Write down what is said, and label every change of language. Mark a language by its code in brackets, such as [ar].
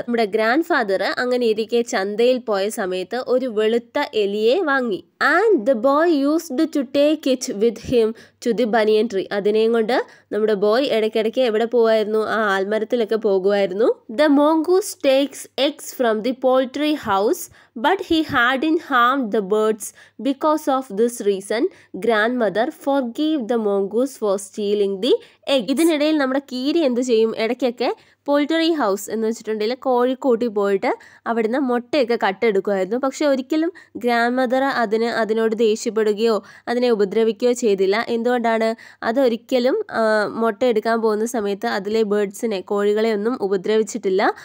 [ml] നമ്മുടെ grand father അങ്ങനെ ഇരിക്കെ ചന്തയിൽ പോയ സമയത്ത് ഒരു വെളുത്ത എലിയെ വാങ്ങി. [en] And the boy used to take it with him to the banyan tree. [ml] അതിനെയും കൊണ്ട് നമ്മുടെ ബോയ് ഇടയ്ക്കിടയ്ക്ക് എവിടെ പോകുമായിരുന്നു? ആ ആൽമരത്തിലൊക്കെ പോകുമായിരുന്നു. The മോങ്കൂസ് takes eggs from the poultry house [en] but he hadn't harmed the birds. Because of this reason grandmother forgave the mongoose for stealing the egg. [ml] ഇതിനിടയിൽ നമ്മുടെ കീരി എന്ത് ചെയ്യും? ഇടയ്ക്കൊക്കെ പോൾട്രി ഹൗസ് എന്ന് വെച്ചിട്ടുണ്ടെങ്കിൽ കോഴിക്കൂട്ടി പോയിട്ട് അവിടുന്ന് മുട്ടയൊക്കെ കട്ടെടുക്കുമായിരുന്നു. പക്ഷെ ഒരിക്കലും ഗ്രാൻഡ്മദർ അതിനോട് ദേഷ്യപ്പെടുകയോ അതിനെ ഉപദ്രവിക്കുകയോ ചെയ്തില്ല. എന്തുകൊണ്ടാണ്? അതൊരിക്കലും മുട്ടയെടുക്കാൻ പോകുന്ന സമയത്ത് അതിലെ ബേർഡ്സിനെ കോഴികളെ ഒന്നും ഉപദ്രവിച്ചിട്ടില്ല.